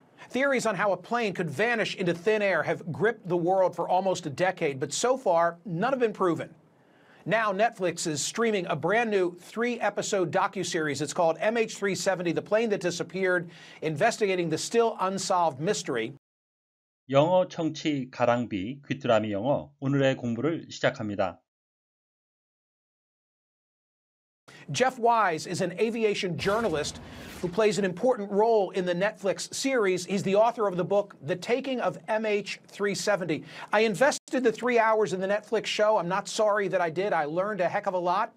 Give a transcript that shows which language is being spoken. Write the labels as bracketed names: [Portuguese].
[English] Theories on how a plane could vanish into thin air have gripped the world for almost a decade, but so far, none have been proven. Now Netflix is streaming a brand new 3-episode docuseries. It's called MH370, The Plane That Disappeared, Investigating the Still Unsolved Mystery. [Korean] 영어 청취 가랑비 귀뚜라미 영어 오늘의 공부를 시작합니다. [English] Jeff Wise is an aviation journalist who plays an important role in the Netflix series. He's the author of the book, The Taking of MH370. I invested the 3 hours in the Netflix show. I'm not sorry that I did. I learned a heck of a lot.